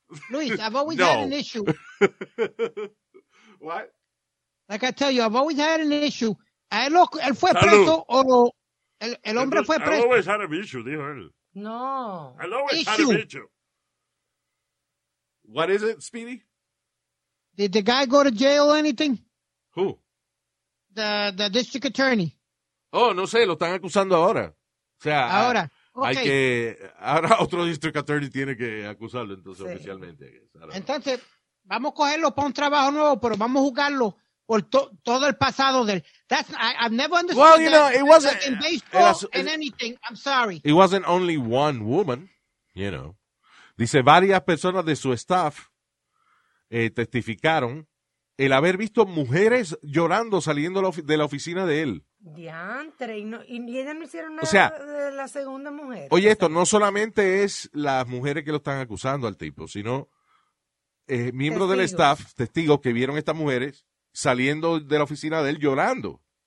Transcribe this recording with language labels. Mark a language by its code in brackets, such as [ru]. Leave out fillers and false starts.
[en] Luis, I've always had an issue. What? Like I tell you, I've always had an issue. [es] Él fue preso o el hombre fue preso. [en] I've always had an issue, [es] dijo él. [en] No. I've always had an issue. What is it, Speedy? Did the guy go to jail or anything? Who? The district attorney. [es] Oh, no sé, lo están acusando ahora. O sea, ahora, hay que... Ahora otro district attorney tiene que acusarlo, entonces, oficialmente. Entonces, vamos a cogerlo para un trabajo nuevo, pero vamos a juzgarlo por todo el pasado del... [en] That's... I've never understood Well, you that. Know, it wasn't... In baseball, in anything, I'm sorry. It wasn't only one woman, you know. [es] Dice, varias personas de su staff... testificaron el haber visto mujeres llorando saliendo de la oficina de él. Diantre, y ellas no hicieron nada, o sea, de la segunda mujer. Oye, esto no solamente es las mujeres que lo están acusando al tipo, sino miembros del staff, testigos que vieron estas mujeres saliendo de la oficina de él llorando.